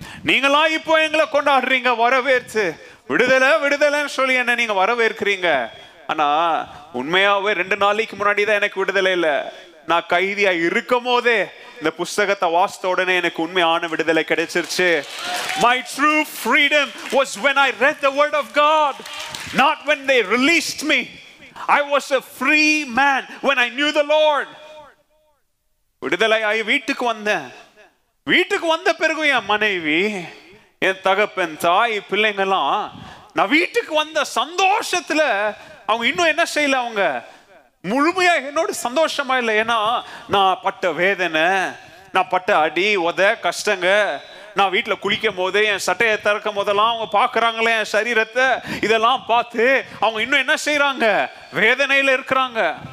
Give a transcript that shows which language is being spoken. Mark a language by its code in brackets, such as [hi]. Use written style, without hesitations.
[ta] நீங்களா இப்போ எங்களை கொண்டாடுறீங்க, வரவேற்று விடுதலை விடுதலைன்னு சொல்லி என்ன நீங்க வரவேற்கிறீங்க. ஆனா உண்மையாவே ரெண்டு நாளைக்கு முன்னாடிதான் எனக்கு விடுதலை இல்லை. நான் கைதியா இருக்கும் போதே இந்த புத்தகத்தை வாசித்த உடனே எனக்கு உண்மையான விடுதலை கிடைச்சிருச்சு. [en] My true freedom was when I read the word of God, not when they released me. I was a free man when I knew the Lord. [ta] விடுதலை ஆகி வீட்டுக்கு வந்தேன். வீட்டுக்கு வந்த பிறகு என் மனைவி, என் தகப்பன், தாய், பிள்ளைங்கெல்லாம் நான் வீட்டுக்கு வந்த சந்தோஷத்துல அவங்க இன்னும் என்ன செய்யல, அவங்க முழுமையா என்னோட சந்தோஷமா இல்லை. ஏன்னா நான் பட்ட வேதனை, நான் பட்ட அடி உத கஷ்டங்க, நான் வீட்டில் குளிக்கும் போது என் சட்டையை திறக்கும் போதெல்லாம் அவங்க பார்க்குறாங்களே என் சரீரத்தை, இதெல்லாம் பார்த்து அவங்க இன்னும் என்ன செய்யறாங்க, வேதனையில் இருக்கிறாங்க.